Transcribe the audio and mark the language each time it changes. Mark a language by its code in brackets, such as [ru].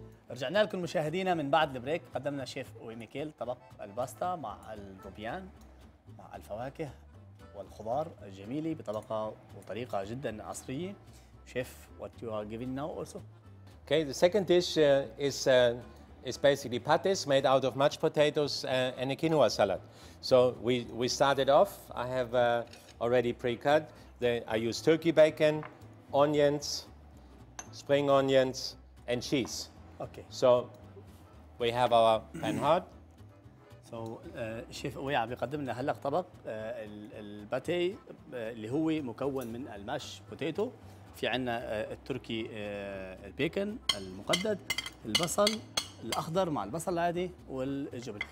[ar] رجعنا لكم مشاهدينا من بعد البريك. قدمنا شيف ويميكيل طبق الباستا مع الروبيان مع الفواكه والخضار الجميلة بطبقة وطريقة جدا عصرية. [en] Chef, what you are giving now also? Okay, the second dish is basically patties made out of mashed potatoes and a quinoa salad. So we started off. I have already pre-cut. I use turkey bacon, onions, spring onions, and cheese. Okay. So we have our pan hot. [ar] So شيف ويا عم يقدم لنا هلا طبق الباتي اللي هو مكون من الماش بوتيتو. في عنا التركي البيكن المقدد، البصل الاخضر مع البصل العادي والجبن.